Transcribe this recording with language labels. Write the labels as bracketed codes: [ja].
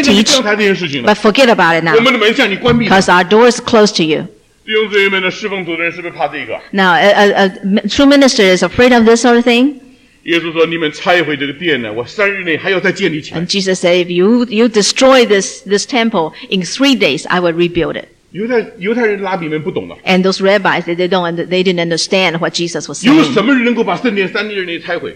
[zh] 现在你刚才这件事情。 [en] But forget about it now. [zh] 我们的门向你关闭了。 [en] Because our door is closed to you. [zh] 弟兄姊妹们的侍奉主人是不是怕这个？ [en] Now, a true minister is afraid of this sort of thing. [zh] 耶稣说：“你们拆毁这个殿呢，我三日内还要再建立起来。” [en] And Jesus said, "If you destroy this temple in 3 days, I will rebuild it." [zh] 犹太人拉比们不懂的。 [en] And those rabbis, they didn't understand what Jesus was saying. [zh] 有什么人能够把圣殿三日内拆毁？